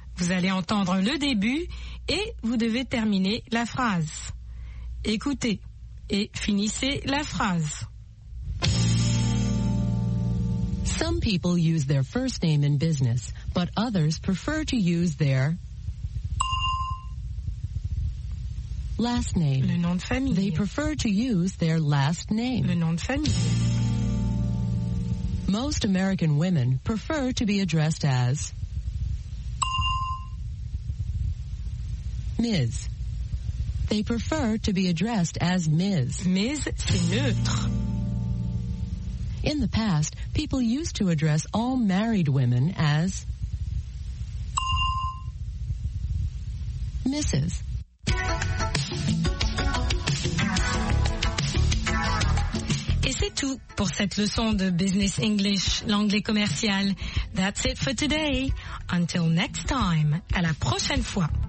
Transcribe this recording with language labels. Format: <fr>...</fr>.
<fr>Vous allez entendre le début et vous devez terminer la phrase. Écoutez et finissez la phrase.</fr> <en>Some people use their first name in business, but others prefer to use their last name.</en> <fr>Le nom de famille.</fr> <en>They prefer to use their last name.</en> <fr>Le nom de famille.</fr> <en>Most American women prefer to be addressed as Ms. They prefer to be addressed as Ms.</en> <fr>Ms, c'est neutre.</fr> <en>In the past, people used to address all married women as Mrs.</en> <fr>C'est tout pour cette leçon de Business English, l'anglais commercial.</fr> <en>That's it for today. Until next time,</en> <fr>à la prochaine fois.</fr>